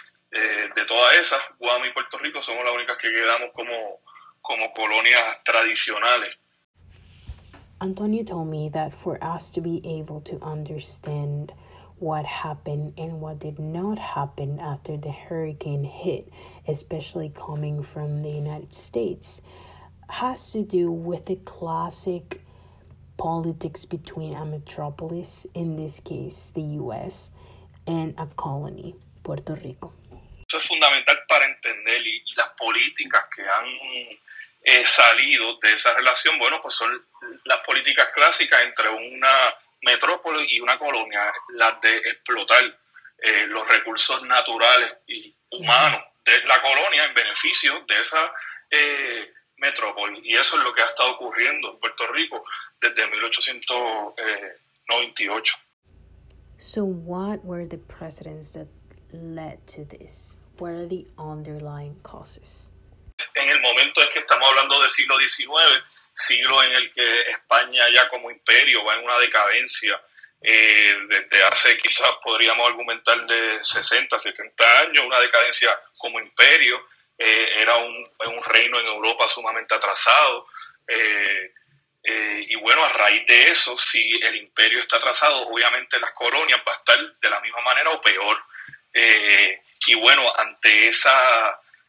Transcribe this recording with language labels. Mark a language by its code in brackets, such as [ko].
[es] De todas esas, Guam y Puerto Rico somos las únicas que quedamos como colonias tradicionales. [en] Antonio told me that for us to be able to understand what happened and what did not happen after the hurricane hit, especially coming from the United States, has to do with the classic politics between a metropolis, in this case the U.S., and a colony, Puerto Rico. [es] Eso es fundamental para entender y las políticas que han salido de esa relación, bueno, pues son las políticas clásicas entre una metrópolis y una colonia, las de explotar los recursos naturales y humanos de la colonia en beneficio de esa metrópoli. Y eso es lo que ha estado ocurriendo en Puerto Rico desde 1898. [en] So what were the precedents that led to this? What are the underlying causes? [es] En el momento es que estamos hablando del siglo XIX, siglo en el que España ya como imperio va en una decadencia desde hace quizás podríamos argumentar de 60, 70 años, una decadencia como imperio, era un reino en Europa sumamente atrasado y bueno, a raíz de eso, si el imperio está atrasado, obviamente las colonias va a estar de la misma manera o peor y bueno, ante esa